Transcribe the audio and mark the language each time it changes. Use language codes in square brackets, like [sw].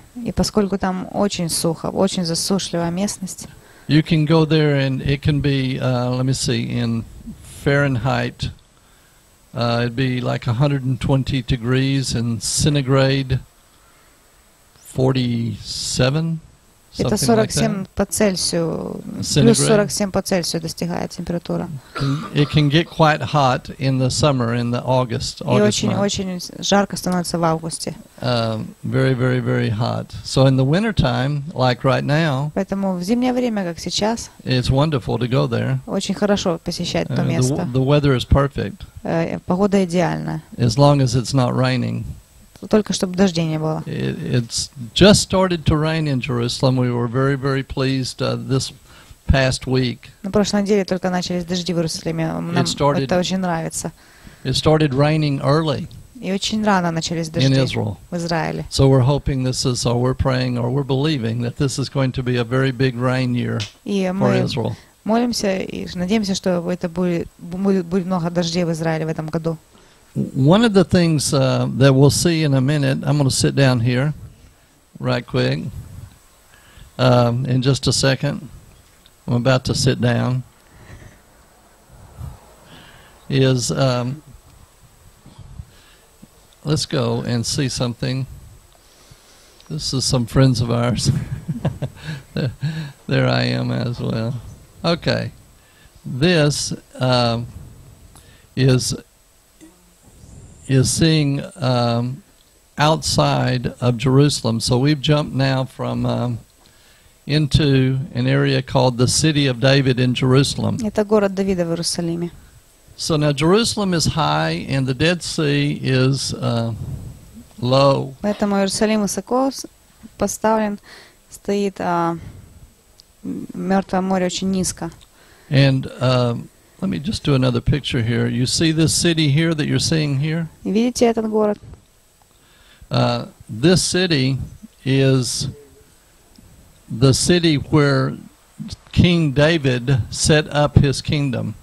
[ru] И поскольку там очень сухо, очень засушливая местность. [en] You can go there and it can be, let me see, in Fahrenheit, it'd be like 120 degrees and centigrade 47, [ru] это 47 [en] like that. [ru] По Цельсию, плюс 47 по Цельсию достигает температура. [en] It can get quite hot in the summer, in the August, [ru] и очень-очень жарко становится в августе. [en] Very, very, very hot. So in the winter time, like right now, [ru] поэтому в зимнее время, как сейчас, [en] it's wonderful to go there. [ru] Очень хорошо посещать то место. [en] The weather is perfect. [ru] Погода идеальная. [en] As long as it's not raining. [ru] Только чтобы дождей не было. [en] It's just started to rain in Jerusalem. We were very, very pleased this past week. [ru] На прошлой неделе только начались дожди в Иерусалиме. Нам это очень нравится. [en] It started raining early. [ru] И очень рано начались дожди [en] in Israel. [ru] В Израиле. [en] So we're hoping this is, or we're praying, or we're believing that this is going to be a very big rain year for Israel. [ru] И мы молимся и надеемся, что это будет много дождей в Израиле в этом году. [en] One of the things that we'll see in a minute, I'm going to sit down here right quick in just a second. I'm about to sit down. Is let's go and see something. This is some friends of ours. There I am as well. Okay. This is is seeing outside of Jerusalem. So we've jumped now from into an area called the City of David in Jerusalem. [ru] Это город Давида в Иерусалиме. [en] So now Jerusalem is high and the Dead Sea is low. [ru] Поэтому Иерусалим высоко поставлен, стоит Мёртвое море очень низко. [en] And let me just do another picture here. You see this city here that you're seeing here? [ru] Видите этот город? [en] This city is the city where King David set up his kingdom.